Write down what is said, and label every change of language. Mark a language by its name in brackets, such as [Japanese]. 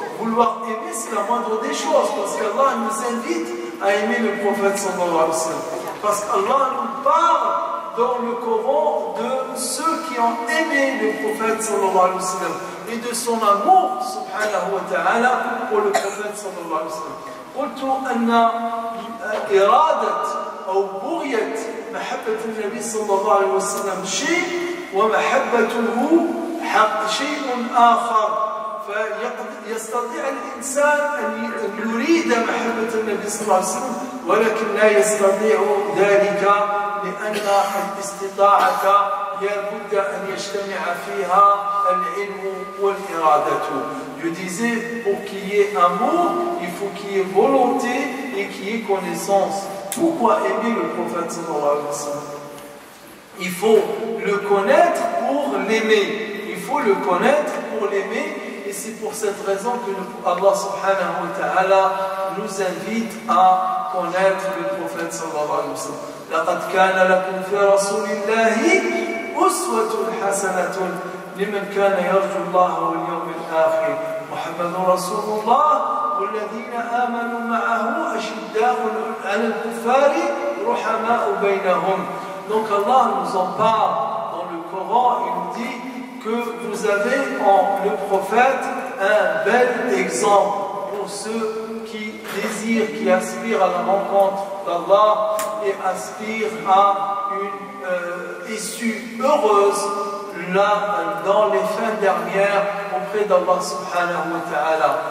[French] Vouloir aimer c'est la moindre des choses, parce qu'Allah nous invite à aimer le prophète sallallahu alayhi wa sallam. Parce qu'Allah nous parle dans le Coran de ceux qui ont aimé le prophète sallallahu alayhi wa sallam et de son amour subhanahu wa ta'ala pour le prophète sallallahu alayhi wa sallam. [Arabic] قلتوا أن إرادة أو بغية محبة النبي صلى الله عليه وسلم شيء ومحبته شيء آخر فيستطيع الإنسان أن يريد محبة النبي صلى الله عليه وسلم ولكن لا يستطيع ذلك لأن الاستطاعة لابد أن يجتمع فيها العلم والإرادة. [French] Je disais, pour qu'il y ait amour, il faut qu'il y ait volonté et qu'il y ait connaissance. Pourquoi aimer le prophète sallallahu alayhi wa sallam? Il faut le connaître pour l'aimer. Il faut le connaître pour l'aimer. Et Et c'est pour cette raison que Allah subhanahu wa ta'ala nous invite à connaître le prophète sallallahu alayhi wa sallam. [Arabic] لقد كان لكم في رسول الله أسوة حسنة لمن كان يرجو الله واليوم الآخر محمد رسول الله والذين آمنوا معه أشداء على الكفار رحماء بينهم. [French] Donc Allah nous en parle dans le Coran, il nous dit que vous avez en le prophète un bel exemple pour ceux qui désirent, qui aspirent à la rencontre d'Allah et aspire à une issue heureuse là dans les fins dernières auprès d'Allah subhanahu wa ta'ala.